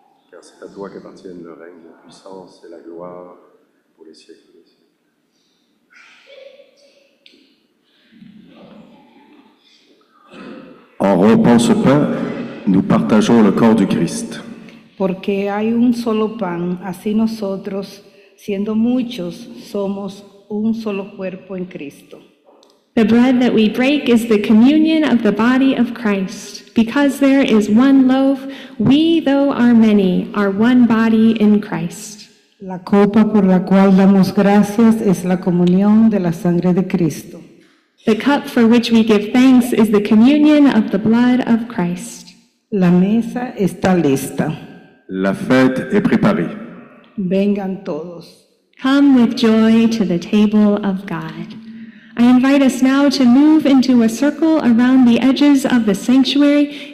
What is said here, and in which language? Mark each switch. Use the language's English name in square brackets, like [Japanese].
[French] Car c'est à toi qu'appartiennent le règne, la puissance et la gloire pour les siècles des siècles. En rompant ce pain, nous partageons le corps du Christ. [Spanish] Porque hay un solo pan, así nosotros, siendo muchos, somos un solo cuerpo en Cristo. [English] The bread that we break is the communion of the body of Christ. Because there is one loaf, we, though are many, are one body in Christ. [Spanish] La copa por la cual damos gracias es la comunión de la sangre de Cristo. [English] The cup for which we give thanks is the communion of the blood of Christ. [Spanish] La mesa está lista. [French] La fête est préparée. [Spanish] Vengan todos. [English] Come with joy to the table of God. I invite us now to move into a circle around the edges of the sanctuary.